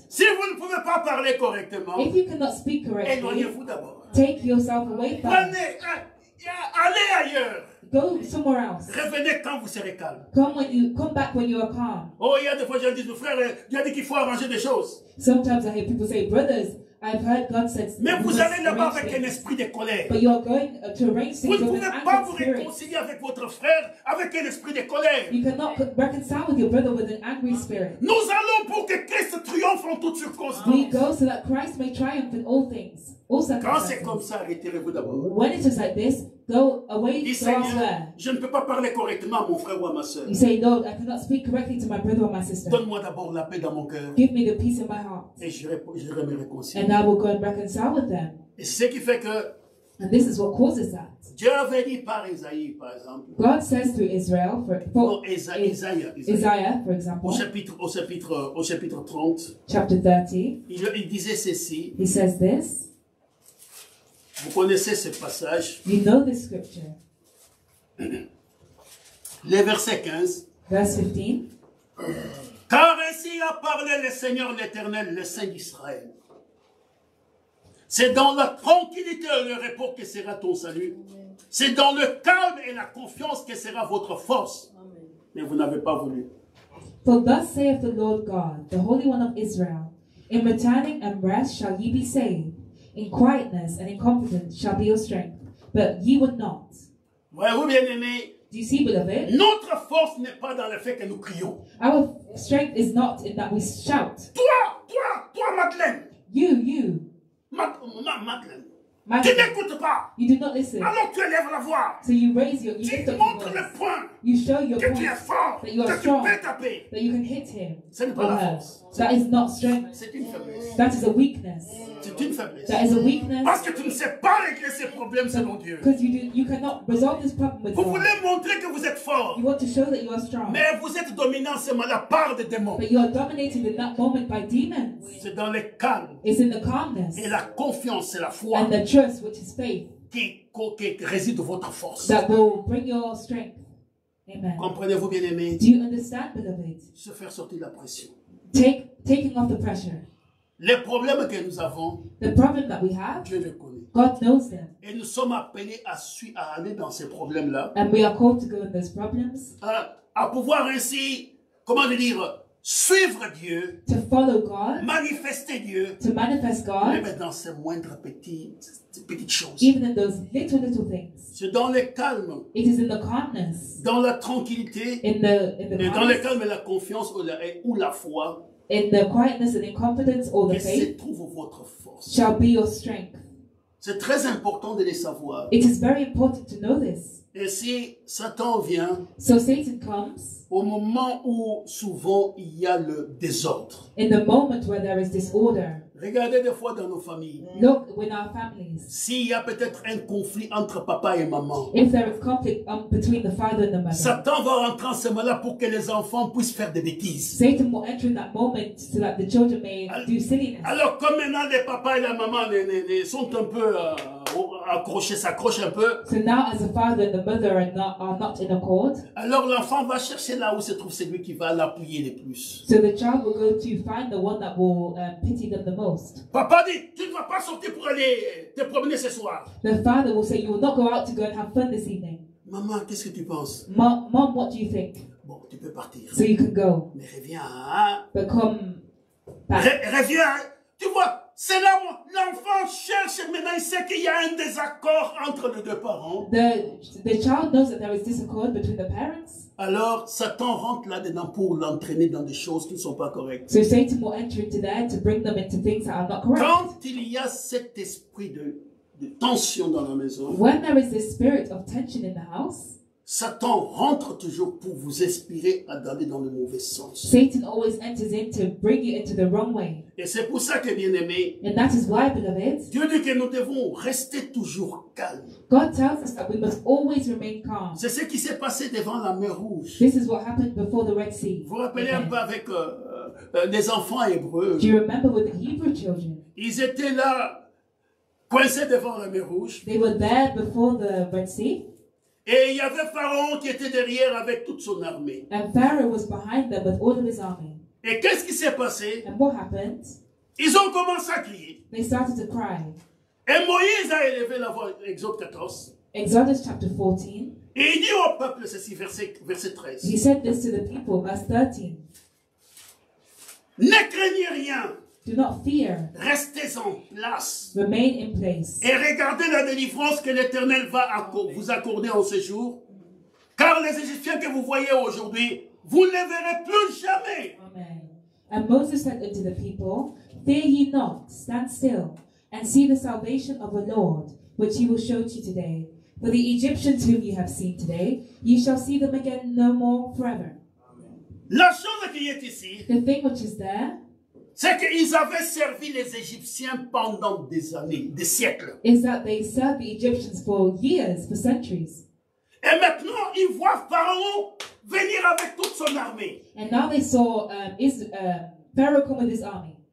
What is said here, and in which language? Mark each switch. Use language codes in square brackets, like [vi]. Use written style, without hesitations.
[fr] Si vous ne pouvez pas parler correctement, [en] if you cannot speak correctly, [fr] éloignez-vous d'abord. [en] Take yourself away from. [fr] Allez ailleurs. [en] Go somewhere else. [fr] Revenez quand vous serez calme. [en] Come back when you are calm. [fr] Oh, il y a des fois, j'ai dit, frère, Dieu a dit qu'il faut arranger des choses. [en] Sometimes I hear people say, brothers, I've heard God said. [fr] Mais vous allez là-bas avec un esprit de colère. [en] But you are going to arrange things. [fr] Vous ne pouvez pas vous réconcilier avec votre frère avec un esprit de colère. [en] You cannot reconcile with your brother with an angry spirit. [fr] Nous allons pour que Christ triomphe en toutes circonstances. [en] We go so that Christ may triumph in all things. [fr] Quand c'est comme ça, retirez-vous d'abord. [en] When it is like this, go away. [fr] Dis Seigneur, je ne peux pas parler correctement à mon frère ou à ma sœur. [en] You say, Lord, I cannot speak correctly to my brother or my sister. [fr] Donne-moi d'abord la paix dans mon cœur. [en] Give me the peace in my heart. [fr] Et je me réconcilie. [en] And I will go and reconcile with them. [fr] Et ce qui fait que [en] And this is what causes that. [fr] Dieu avait dit par Isaïe, par exemple. [en] God says to Israel, Isaiah, for example. [fr] Au chapitre 30. [en] Chapter 30. [fr] Il disait ceci. [en] He says this. [fr] Vous connaissez ce passage. [en] You know this scripture. [fr] Le verset 15. [en] Verse 15. [fr] Car ainsi a parlé le Seigneur l'Éternel, le Saint d'Israël. C'est dans la tranquillité et le repos que sera ton salut. C'est dans le calme et la confiance que sera votre force. Mais vous n'avez pas voulu. [en] For thus saith the Lord God, the Holy One of Israel, in returning and rest shall ye be saved. In quietness and in confidence shall be your strength. But ye would not. [fr] Voyez-vous, bien-aimés? [en] Do you see, beloved? [fr] Notre force n'est pas dans le fait que nous crions. [en] Our strength is not in that we shout. [fr] Toi, Madeleine. [en] You. [fr] Madeleine. Tu n'écoutes pas. [en] You do not listen. [fr] Alors tu élèves la voix. [en] So you raise your voice. [fr] Tu montres le point. [en] You show your [fr] point. Que tu es fort. [en] That you are strong. [fr] Que tu peux taper. [en] That you can hit him. [fr] Ce n'est pas la force. [en] That is not strength. [fr] C'est une faiblesse. [en] That is a weakness. [fr] C'est une faiblesse. [en] That is a weakness. [fr] Parce que tu ne sais pas régler ces problèmes selon Dieu. [en] Because you cannot resolve this problem with God. [fr] Vous voulez montrer que vous êtes fort. [en] You want to show that you are strong. [fr] Mais vous êtes dominant seulement la part des démons. [en] But you are dominated in that moment by demons. [fr] C'est dans le calme. [en] It's in the calmness. [fr] Et la confiance et la foi. [en] And the trust, which is faith. [fr] Qui réside votre force. [en] That will bring your strength. Amen. [fr] Comprenez-vous, bien aimé? [en] Do you understand, beloved? [fr] Se faire sortir de la pression. [en] Taking off the pressure. [fr] Les problèmes que nous avons, [en] the problem that we have, [fr] Dieu les connaît. [en] God knows them. [fr] Et nous sommes appelés à aller dans ces problèmes-là. [en] And we are called to go in those problems. [fr] À pouvoir ainsi, comment dire, suivre Dieu. [en] To follow God. [fr] Manifester Dieu. [en] To manifest God. [fr] Même dans ces moindres petites choses. [en] Even in those little things. [fr] C'est dans le calme. [en] It is in the calmness. [fr] Dans la tranquillité. [en] In the calmness. [fr] Dans le calme et la confiance ou la foi. [en] In the quietness and in confidence or the faith [fr] votre force. [en] Shall be your strength. [fr] C'est très important de les savoir. [en] It is very important to know this. [fr] Et si Satan vient, [en] so Satan comes [fr] au moment où souvent il y a le désordre. [en] In the moment where there is disorder. [fr] Regardez des fois dans nos familles. [en] Look with our families. [fr] S'il y a peut-être un conflit entre papa et maman. [en] If there is conflict between the father and the mother. [fr] Satan va rentrer en ce moment-là pour que les enfants puissent faire des bêtises. [en] Satan will enter in that moment so that the children may do silliness. [fr] Alors comme maintenant les papas et la maman les sont un peu accrochés, s'accrochent un peu. [en] So now as the father and the mother are not in accord. [fr] Alors l'enfant va chercher là où se trouve celui qui va l'appuyer le plus. [en] So the child will go to find the one that will pity them the most. [fr] Papa dit, tu ne vas pas sortir pour aller te promener ce soir. [en] The father will say, you will not go out to go and have fun this evening. [fr] Maman, qu'est-ce que tu penses? [en] Mom, what do you think? [fr] Bon, tu peux partir. [en] So you can go. [fr] Mais reviens. [en] But come back. [fr] Reviens. Tu vois, c'est là où l'enfant cherche maintenant, il sait qu'il y a un désaccord entre les deux parents. [en] The child knows that there is disaccord between the parents. [fr] Alors, Satan rentre là-dedans pour l'entraîner dans des choses qui ne sont pas correctes. [en] So Satan will enter into there to bring them into things that are not correct. [fr] Quand il y a cet esprit de tension dans la maison, [en] when there is this spirit of tension in the house, [fr] Satan rentre toujours pour vous inspirer à aller dans le mauvais sens. [en] Satan always enters in to bring you into the wrong way. [fr] Et c'est pour ça que, bien aimé, [en] and that is why, beloved, [fr] Dieu dit que nous devons rester toujours calmes. [en] God tells us that we must always remain calm. [fr] C'est ce qui s'est passé devant la mer Rouge. [en] This is what happened before the Red Sea. [fr] Vous rappelez un peu avec les enfants hébreux. [en] Do you remember with the Hebrew children? [fr] Ils étaient là, coincés devant la mer Rouge. [en] They were there before the Red Sea. [fr] Et il y avait Pharaon qui était derrière avec toute son armée. [en] And Pharaoh was behind them with all of his army. [fr] Et qu'est-ce qui s'est passé? [en] And what happened? [fr] Ils ont commencé à crier. [en] They started to cry. [fr] Et Moïse a élevé la voix, Exode 14. [en] Exodus chapter 14. [fr] Et il dit au peuple ceci, verset 13. [en] He said this to the people, verse 13. [fr] Ne craignez rien. [en] Do not fear. [fr] Restez en place. [en] Remain in place. [fr] Et regardez la délivrance que l'Éternel va vous accorder en ce jour. Car les Égyptiens que vous voyez aujourd'hui, vous ne les verrez plus jamais. Amen. [en] And Moses said unto the people, fear ye not, stand still, and see the salvation of the Lord, which he will show to you today. For the Egyptians whom ye have seen today, ye shall see them again no more forever. [fr] Amen. La chose qui est ici, [en] the thing which is there, [fr] C'est qu'ils avaient servi les Égyptiens pendant des années, des siècles. [en] Is that they served the Egyptians for years, for centuries. [fr] Et maintenant, ils voient Pharaon venir avec toute son armée. [en] And now they saw Pharaoh come with his army.